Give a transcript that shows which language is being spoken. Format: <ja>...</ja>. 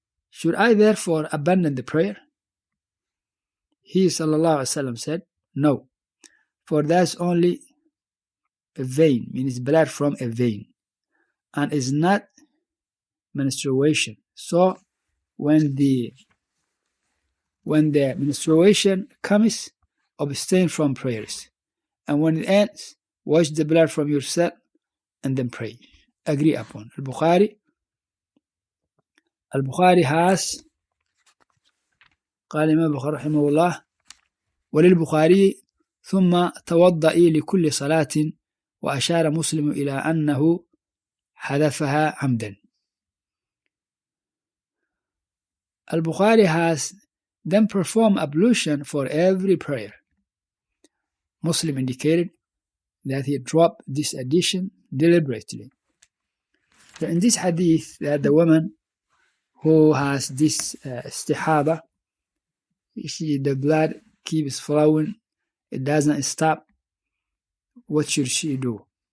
<en>Should I therefore abandon the prayer? He sallallahu alayhi wa sallam said, no, for that's only a vein, means blood from a vein, and is not menstruation. So when the menstruation comes, abstain from prayers. And when it ends, wash the blood from yourself and then pray. Agree upon. Al-Bukhari has,</en> <ar>قال إمام البخاري رحمه الله, وللبخاري ثم توضئي لكل صلاة, وأشار مسلم إلى أنه حذفها عمدا.</ar> <en>Al-Bukhari has then performed ablution for every prayer. Muslim indicated that he dropped this addition deliberately. So in this hadith, that the woman who has this istihada, the blood keeps flowing It doesn't stop. What should she do?</en>